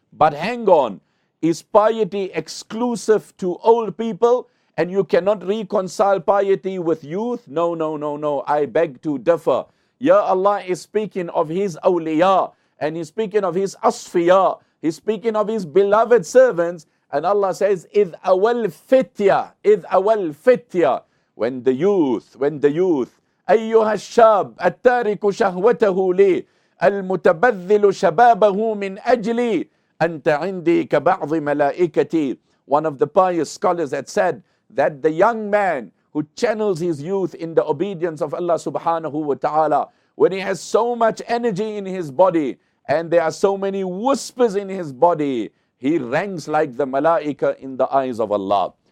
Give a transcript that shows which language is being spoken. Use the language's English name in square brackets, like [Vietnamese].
[English] But hang on, is piety exclusive to old people and you cannot reconcile piety with youth? No, no, no, no. I beg to differ. Ya Allah is speaking of His awliya and He's speaking of His asfiya. He's speaking of His beloved servants. And Allah says, [Arabic] إِذْ أَوَلْ فِتْيَةً إِذْ أَوَلْ فِتْيَةً. [English] When the youth, [Arabic] أيها الشاب التارك شهوته لي المتبذل شبابه من أجلي أنت عندي كبعض ملائكتي. [English] One of the pious scholars had said that the young man who channels his youth in the obedience of Allah subhanahu wa ta'ala, when he has so much energy in his body and there are so many whispers in his body, he ranks like the malaika in the eyes of Allah.